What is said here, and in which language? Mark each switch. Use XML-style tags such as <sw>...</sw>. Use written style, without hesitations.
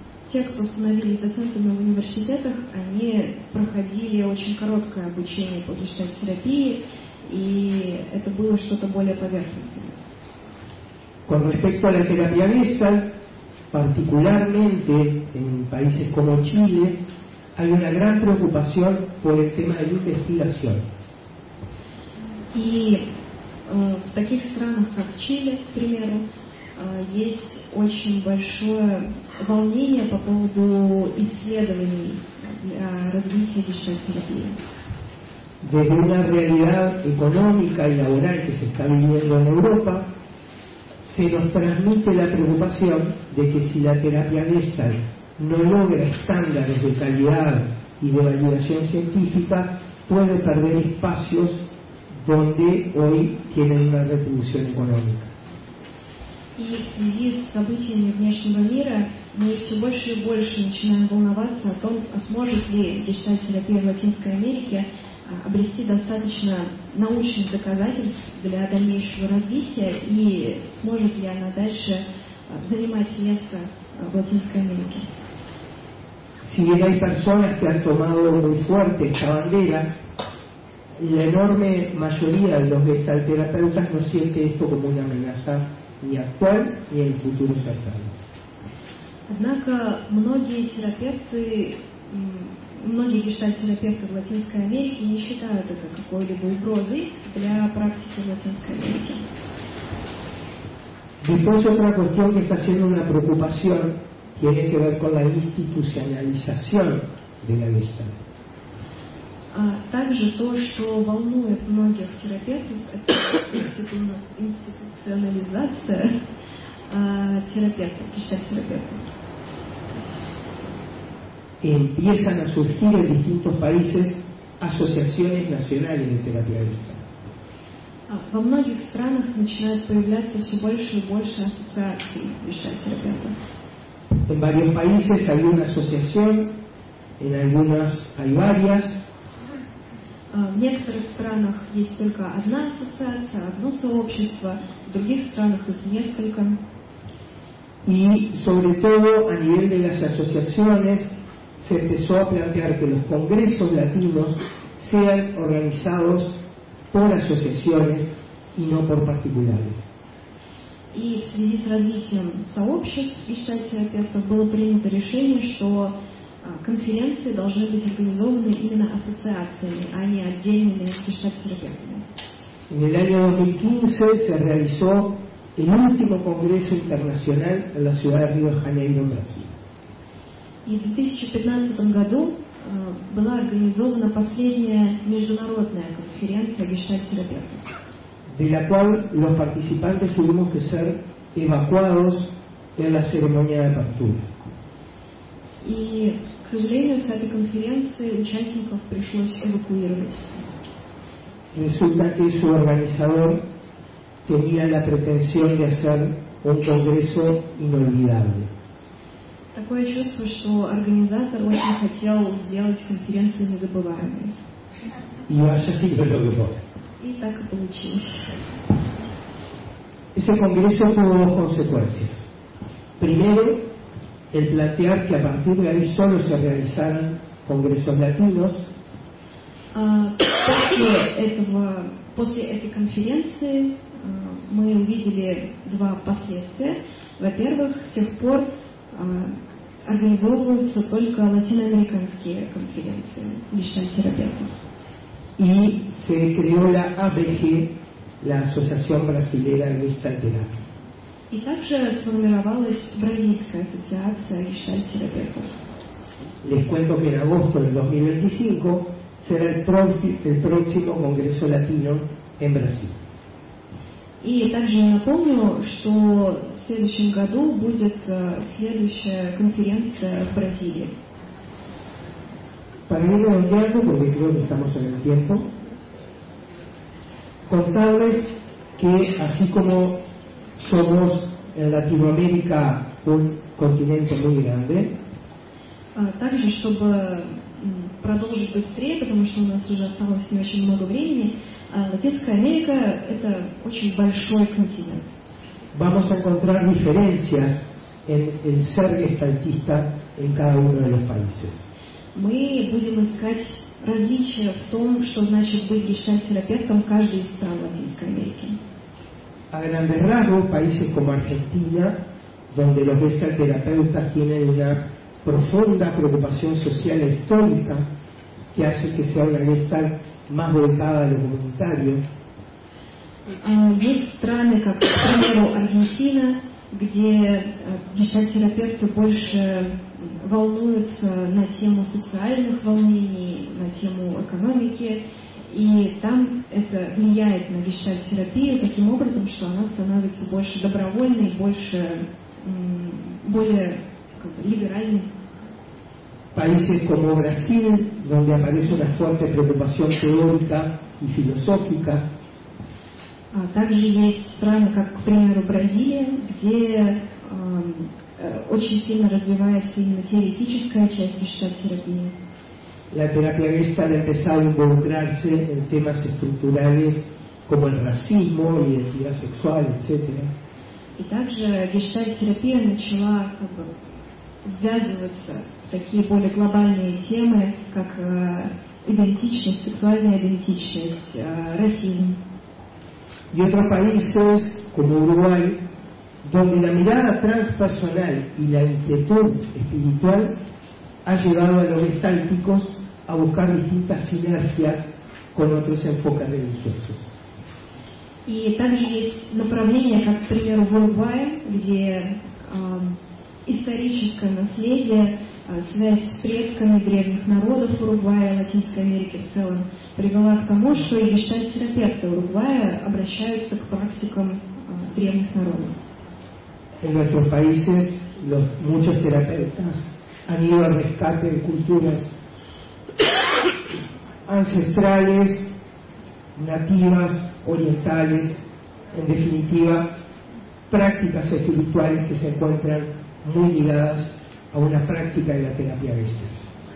<ru>Те, кто становились доцентами в университетах, они проходили очень короткое обучение по гештальт-терапии, и это было что-то более поверхностное.</ru> <es>Con respecto a la terapia gestal, particularmente en países como Chile, hay una gran preocupación por el tema de investigación.</es> <ru>И в таких странах, как Чили, к примеру, есть очень большое волнение по поводу исследований для развития гештальт-терапии.</ru> <es>Desde una realidad económica y laboral que se está viviendo en Europa, se nos transmite la preocupación de que si la terapia gestal no logra estándares de calidad y de validación científica, puede perder espacios donde hoy tienen una retribución económica.</es> <ru>И в связи с событиями внешнего мира мы все больше и больше начинаем волноваться о том, сможет ли гештальт-терапия в Латинской Америке обрести достаточно научных доказательств для дальнейшего развития и сможет ли она дальше занимать место в Латинской Америке.</ru> <es>Si bien hay personas que han tomado muy fuerte esta bandera, la enorme mayoría de los gestalt-terapeutas no siente esto como una amenaza. Ни актуал, ни в будущем сатану.</es> <ru>Однако многие гештальт-терапевты в Латинской Америке не считают это какой-либо угрозой для практики в Латинской Америке.</ru> <es>Después otra cuestión que está siendo una preocupación tiene que ver con la institucionalización de la gestalt.</es> <ru>Также то, что волнует многих терапевтов, это институционализация гештальт-терапевтов.</ru> <es>Empiezan a surgir en distintos países asociaciones nacionales de terapia gestal.</es> <ru>Во многих странах начинают появляться все больше и больше ассоциаций гештальт-терапевтов.</ru> <es>En varios países hay una asociación, en algunas hay varias.</es> <ru>В некоторых странах есть только одна ассоциация, одно сообщество, в других странах их несколько.</ru> <es>И, sobre todo, a nivel de las asociaciones, se empezó a plantear que los congresos latinos sean organizados por asociaciones y no por particulares.</es> <ru>И в связи с развитием сообществ и гештальт-терапевтов было принято решение, что конференции должны быть организованы именно ассоциациями, а не отдельными гештальт-терапевтами.</ru> <es>En el año 2015 se realizó el último congreso internacional en la ciudad de Río de Janeiro, Brasil.</es> <ru>И в 2015 году была организована последняя международная конференция гештальт-терапевтов.</ru> <es>De la cual los participantes tuvimos que ser evacuados y a la ceremonia de apertura.</es> <ru>Y, к сожалению, с этой конференции участников пришлось эвакуировать.</ru> <es>Resulta que su organizador tenía la pretensión de hacer un congreso inolvidable.</es> <ru>Такое чувство, что организатор очень хотел сделать конференцию незабываемой.</ru> <es>Y vaya si lo logró.</es> <ru>Y так и получилось.</ru> <es>Ese congreso tuvo dos consecuencias. Primero, el plantear que a partir de ahí solo se realizaran congresos latinos.</es> <ru>После этой конференции мы увидели два последствия. Во-первых, с тех пор организовываются только латиноамериканские конференции личных терапевтов.</ru> <es>И se creó la ABG, la Asociación Brasileña de Gestalt Terapia.</es> <ru>И также сформировалась бразильская ассоциация личных терапевтов.</ru> <es>Les cuento que en agosto del 2025 será el próximo Congreso Latino en Brasil.</es> <ru>И также напомню, что в следующем году будет следующая конференция в Бразилии.</ru> <es>Para ir redondeando, porque creo que estamos en el tiempo, contarles que así como somos en Latinoamérica un continente muy grande,</es> <ru>также, чтобы продолжить быстрее, потому что у нас уже осталось не очень много времени, Латинская Америка – это очень большой континент.</ru> <es>Vamos a encontrar diferencias en el ser gestaltista en cada uno de los países.</es> <ru>Мы будем искать различия в том, что значит быть гештальт-терапевтом в каждой из стран Латинской Америки.</ru> <es>A grandes rasgos, países como Argentina, donde los gestalt-terapeutas tienen una profunda preocupación social e histórica que hace que sea una gestalt más volcada a lo comunitario.</es> <ru>Есть страны, как, к примеру, Аргентина, где гештальт-терапевты больше волнуются на тему социальных волнений, на тему экономики, и там это влияет на гештальт-терапию таким образом, что она становится больше добровольной, больше, более как бы, либеральной.</ru> <es>Países como Brasil, donde aparece una fuerte preocupación teórica y filosófica.</es> <ru>Также есть страны, как, к примеру, Бразилия, где очень сильно развивается именно теоретическая часть гештальт-терапии.</ru> <es>La terapia gestal ha empezado a involucrarse en temas estructurales como el racismo, identidad sexual, etc.</es> <ru>И также гештальт-терапия начала как бы ввязываться в такие более глобальные темы, как идентичность, сексуальная идентичность, расизм.</ru> <es>Y otros países, como Uruguay, donde la mirada transpersonal y la inquietud espiritual ha llevado a los gestálticos a buscar distintas sinergias con otros enfoques religiosos. Y también hay</es> <ru>направлениях, как, к примеру, в Уругвае, где историческое наследие, связь с предками древних народов Уругвая и Латинской Америки в целом привела к тому, что и гештальт-терапевты Уругвая обращаются к практикам древних народов.</ru> <es>En nuestros países, muchos terapeutas han ido al rescate de culturas ancestrales, nativas, orientales, en definitiva, prácticas espirituales que se encuentran muy ligadas a una práctica de la terapia gestal.</es>